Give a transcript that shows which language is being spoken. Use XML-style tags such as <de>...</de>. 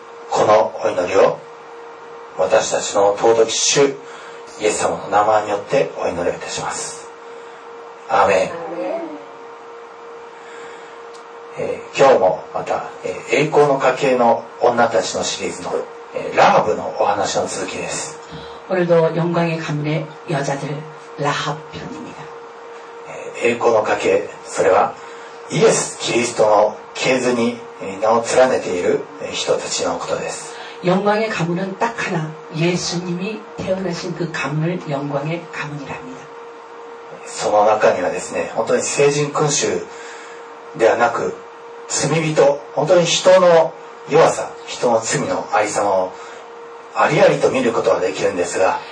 <ja>このお祈りを、私たちの尊き主、イエス様の名前によってお祈りいたします。アーメン。今日もまた、栄光の家系の女たちのシリーズのラハブのお話の続きです。</ja> <ko>오늘도영광의가문의여자들라합편입니다</ko> <ja>栄光の家系、それはイエス・キリストの系図に名を連ねている人たちのことです。</ja> <ko>영광의가문은딱하나예수님이태어나신그가문영광의가문이랍니다</ko> <ja>その中にはですね、本当に聖人君主ではなく罪人、本当に人の弱さ、人の罪のありさまをありありと見ることができるんですが、</ja>